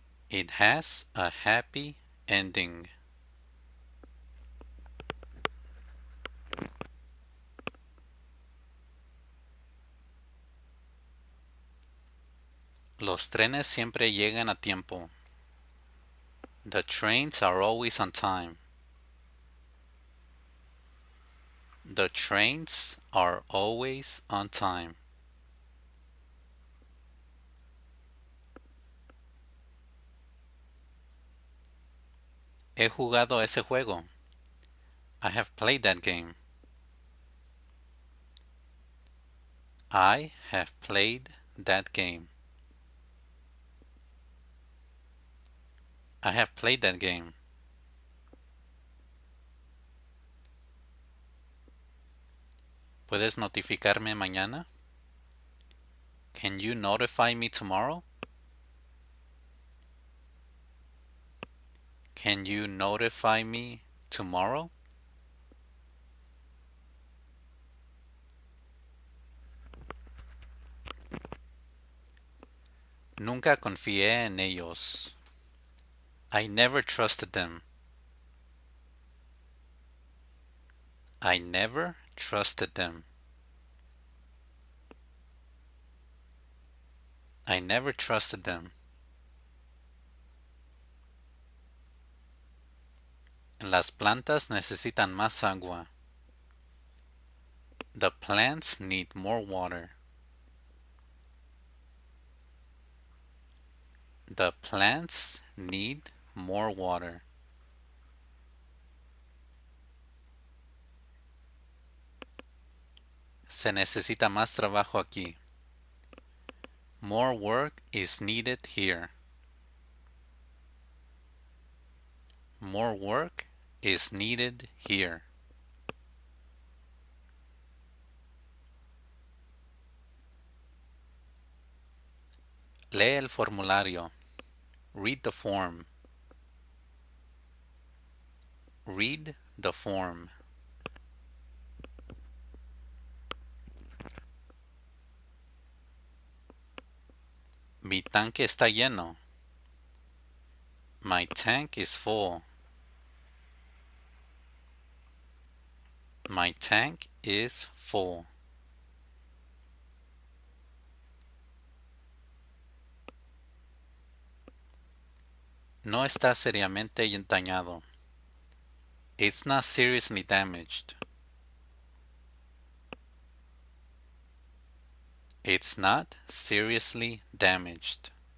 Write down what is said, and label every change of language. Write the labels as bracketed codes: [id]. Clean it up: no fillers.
[en] It has a happy ending. [es] Los trenes siempre llegan a tiempo. [en] The trains are always on time. The trains are always on time. [es] He jugado ese juego. [en] I have played that game. I have played that game. I have played that game. [es] ¿Puedes notificarme mañana? [en] Can you notify me tomorrow? Can you notify me tomorrow? [es] Nunca confié en ellos. [en] I never trusted them. I never trusted them. I never trusted them. [es] Las plantas necesitan más agua. [en] The plants need more water. The plants need more water. [es] Se necesita más trabajo aquí. [en] More work is needed here. More work is needed here. [es] Lee el formulario. [en] Read the form. Read the form. [es] Mi tanque está lleno. [en] My tank is full. My tank is full. [es] No está seriamente dañado. [en] It's not seriously damaged. It's not seriously damaged.